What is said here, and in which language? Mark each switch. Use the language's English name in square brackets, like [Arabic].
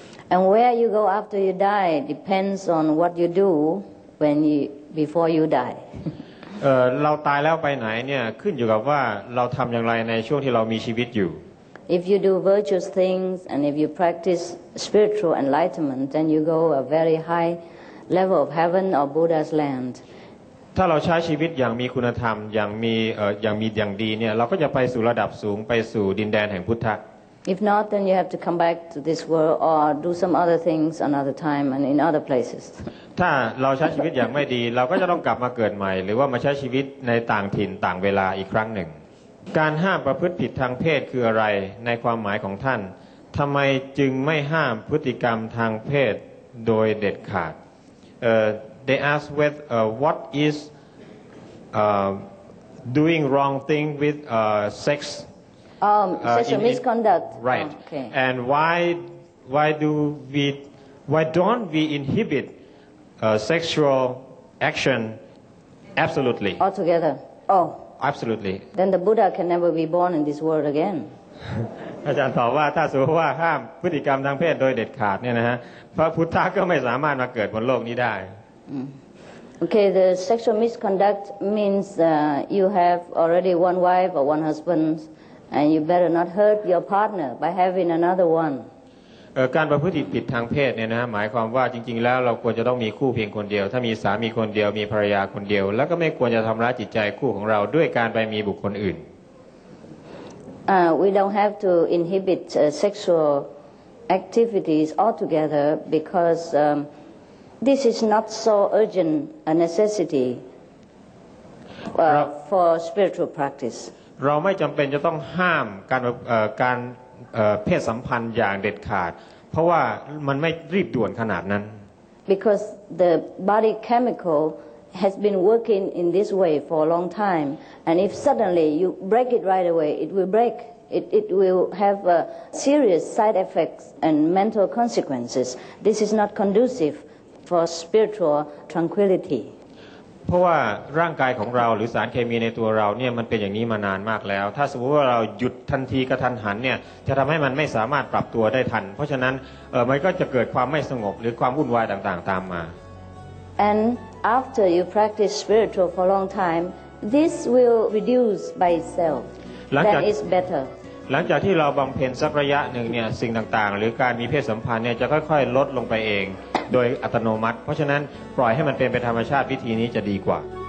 [English] And where you go after you die depends on what you do. When you, before you die, [Thai] เราตายแล้วไปไหนเนี่ยขึ้นอยู่กับว่าเราทำอย่างไรในช่วงที่เรามีชีวิตอยู่ [English] If you do virtuous things and if you practice spiritual enlightenment, then you go a very high level of heaven or Buddha's land. [Thai] ถ้าเราใช้ชีวิตอย่างมีคุณธรรมอย่างมีอย่างดีเนี่ยเราก็จะไปสู่ระดับสูงไปสู่ดินแดนแห่งพุทธะ [English] If not, then you have to come back to this world or do some other things another time and in other places. [Thai] ถ้าเราใช้ชีวิตอย่างไม่ดีเราก็จะต้องกลับมาเกิดใหม่หรือว่ามาใช้ชีวิตในต่างถิ่นต่างเวลาอีกครั้งหนึ่งการห้ามประพฤติผิดทางเพศคืออะไรในความหมายของท่านทำไมจึงไม่ห้ามพฤติกรรมทางเพศโดยเด็ดขาด [English] They ask with what is doing wrong thing with sex sexual misconduct right okay. and why don't we inhibitsexual action absolutely altogether oh absolutely then the buddha can never be born in this world again [Thai] อาจารย์ตอบว่าถ้าสมมติว่าห้ามพฤติกรรมทางเพศโดยเด็ดขาดเนี่ยนะฮะพระพุทธะก็ไม่สามารถมาเกิดบนโลกนี้ได้ [English] okay the sexual misconduct means you have already one wife or one husband and you better not hurt your partner by having another one [Thai] การประพฤติผิดทางเพศเนี่ยนะหมายความว่าจริงๆแล้วเราควรจะต้องมีคู่เพียงคนเดียวถ้ามีสามีคนเดียวมีภรรยาคนเดียวแล้วก็ไม่ควรจะทำร้ายจิตใจคู่ของเราด้วยการไปมีบุคคลอื่น [English] We don't have to inhibit sexual activities altogether because this is not so urgent a necessity for spiritual practice [Thai] เราไม่จำเป็นจะต้องห้ามการเพศสัมพันธ์อย่างเด็ดขาดเพราะว่ามันไม่รีบด่วนขนาดนั้น [English] because the body chemical has been working in this way for a long time and if suddenly you break it right away it will break it will have a serious side effects and mental consequences this is not conducive for spiritual tranquility [Thai] เพราะว่าร่างกายของเราหรือสารเคมีในตัวเราเนี่ยมันเป็นอย่างนี้มานานมากแล้วถ้าสมมติว่าเราหยุดทันทีกระทันหันเนี่ยจะทำให้มันไม่สามารถปรับตัวได้ทันเพราะฉะนั้นมันก็จะเกิดความไม่สงบหรือความวุ่นวายต่างๆตามมา [English] And after you practice spiritual for a long time this will reduce by itself that is better [Thai] หลังจากที่เราบำเพ็ญสักระยะหนึ่งเนี่ยสิ่งต่างๆหรือการมีเพศสัมพันธ์เนี่ยจะค่อยๆลดลงไปเองโดยอัตโนมัติเพราะฉะนั้นปล่อยให้มันเป็นไปธรรมชาติวิธีนี้จะดีกว่า